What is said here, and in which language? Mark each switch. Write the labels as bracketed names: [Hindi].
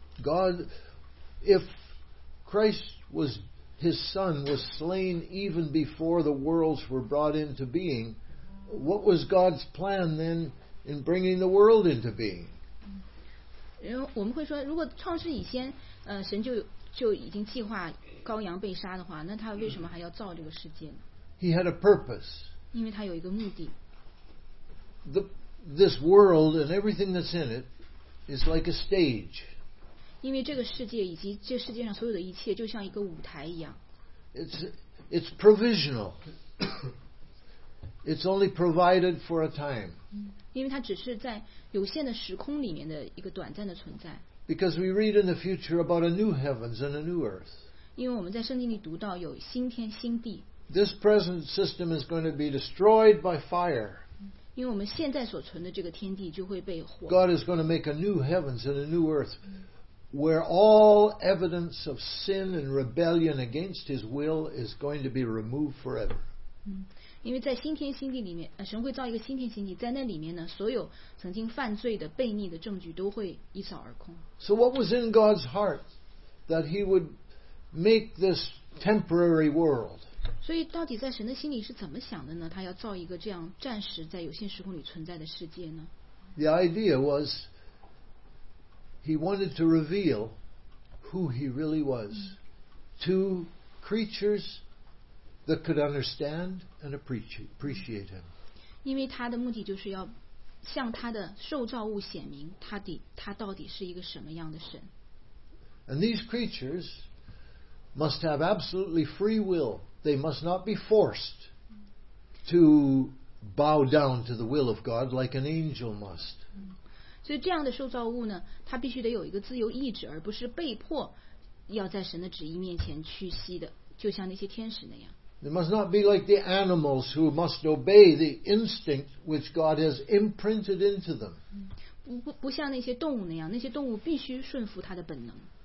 [English] God, if Christ was His Son was slain even before the worlds were brought into being, what was God's plan then in bringing the world into being? [Chinese] 因为我们会说，如果创世以先，神就已经计划羔羊被杀的话，那他为什么还要造这个世界呢 [English] ？He had a purpose. [Chinese] 因为他有一个目的。 [English] This world and everything that's in it is like a stage. [Chinese] 因为这个世界以及这世界上所有的一切，就像一个舞台一样。 [English] it's provisional. It's only provided for a time. [Chinese] 因为它只是在有限的时空里面的一个短暂的存在。 [English] Because we read in the future about a new heavens and a new earth. [Chinese] 因为我们在圣经里读到有新天新地。 [English] This present system is going to be destroyed by fire. [Chinese] 因为我们现在所存的这个天地就会被火。 [English] God is going to make a new heavens and a new earth, where all evidence of sin and rebellion against His will is going to be removed forever. [Chinese] 因为在新天新地里面，神会造一个新天新地，在那里面呢，所有曾经犯罪的悖逆的证据都会一扫而空。 [English] So what was in God's heart that He would make this temporary world? [Chinese] 所以到底在神的心里是怎么想的呢？他要造一个这样暂时在有限时空里存在的世界呢？ [English] The idea was He wanted to reveal who He really was to creatures that could understand and appreciate Him. [Chinese] 因为他的目的就是要向他的受造物显明他到底是一个什么样的神。 [English] And these creatures must have absolutely free will. They must not be forced to bow down to the will of God like an angel must. [Chinese] 所以这样的受造物呢，他必须得有一个自由意志，而不是被迫要在神的旨意面前屈膝的，就像那些天使那样。 [English] It must not be like the animals who must obey the instinct which God has imprinted into them. [Chinese] 不像那些动物那样，那些动物必须顺服他的本能。